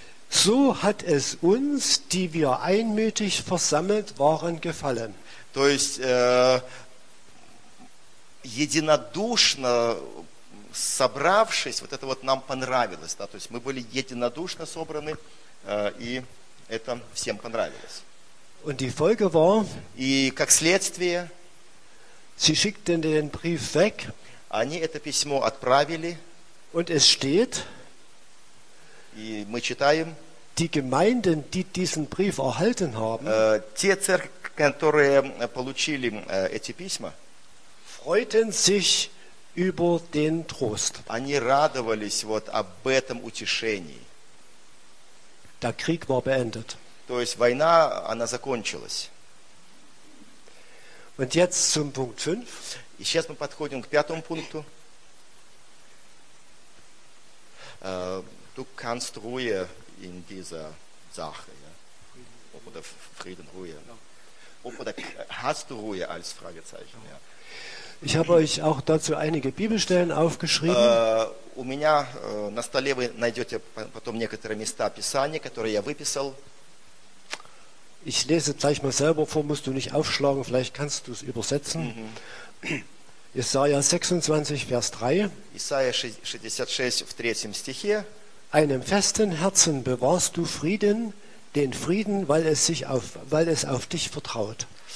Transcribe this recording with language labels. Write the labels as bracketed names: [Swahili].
[German] so hat es uns, die wir einmütig versammelt waren, gefallen. [Russian] То есть единодушно собравшись, вот это вот нам понравилось, да, то есть мы были единодушно собраны и это всем понравилось. [German] Und die Folge war, [Russian] и как следствие, [German] sie schickten den Brief weg, [Russian] они это письмо отправили, [German] und es steht, [Russian] и мы читаем. [German] Die Gemeinden, die diesen Brief erhalten haben, [Russian] те церкви, которые получили эти письма, [German] freuten sich über den Trost. [Russian] Они радовались вот об этом утешении. [German] Der Krieg war beendet. [Russian] То есть война, она закончилась. [German] Und jetzt zum Punkt 5. [Russian] И сейчас мы подходим к пятому пункту. [German] Du kannst ruhe in dieser Sache. Ja? Ob oder Frieden, Ruhe. Ob oder hast du Ruhe als Fragezeichen. Ja? Ich habe euch auch dazu einige Bibelstellen aufgeschrieben. [Russian] У меня на столе вы найдете потом некоторые места Писания, которые я выписал. [German] Ich lese gleich mal selber vor, musst du nicht aufschlagen, vielleicht kannst du es übersetzen. Jesaja 26, Vers 3. [Russian] Jesaja 66, в третьем стихе. [German] Einem festen Herzen bewahrst du Frieden, den Frieden, weil es auf dich vertraut.